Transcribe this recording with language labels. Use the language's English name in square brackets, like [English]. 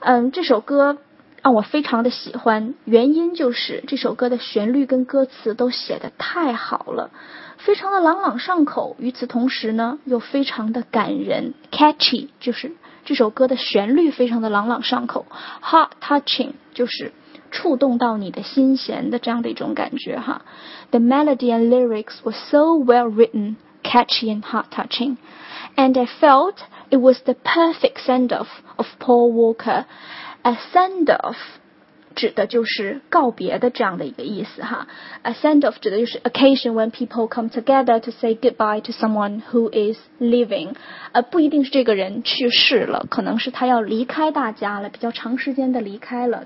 [Chinese] 这首歌让我非常的喜欢，原因就是这首歌的旋律跟歌词都写得太好了，非常的朗朗上口，与此同时呢，又非常的感人， catchy, 就是这首歌的旋律非常的朗朗上口， heart touching, 就是触动到你的心弦的这样的一种感觉哈。 [English] The melody and lyrics were so well written, catchy and heart-touching. And I felt it was the perfect send-off of Paul Walker. [Chinese] A send-off 指的就是告别的这样的一个意思哈。 [English] A send-off [Chinese] 指的就是 [English] occasion when people come together to say goodbye to someone who is leaving. [Chinese] 不一定是这个人去世了，可能是他要离开大家了，比较长时间的离开了。